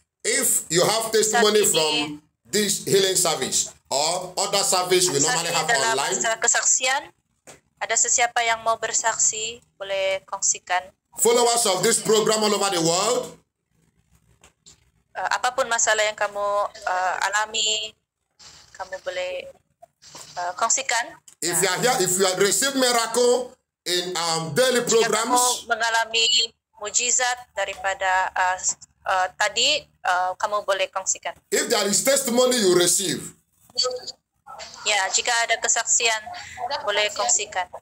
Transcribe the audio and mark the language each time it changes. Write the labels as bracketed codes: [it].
[en] If you have testimony from this healing service or other service we normally have online. [ms] Kesaksian. Ada sesiapa yang mau bersaksi, boleh kongsikan. [en] Followers of this program all over the world. [ms] Apapun masalah yang kamu alami, kami boleh kongsikan. [en] If you are here, if you have received miracle in daily programs, [ms] kamu mengalami mujizat daripada tadi, kamu boleh kongsikan. [en] If there is testimony you receive, [ms] ya, jika ada kesaksian, boleh kongsikan.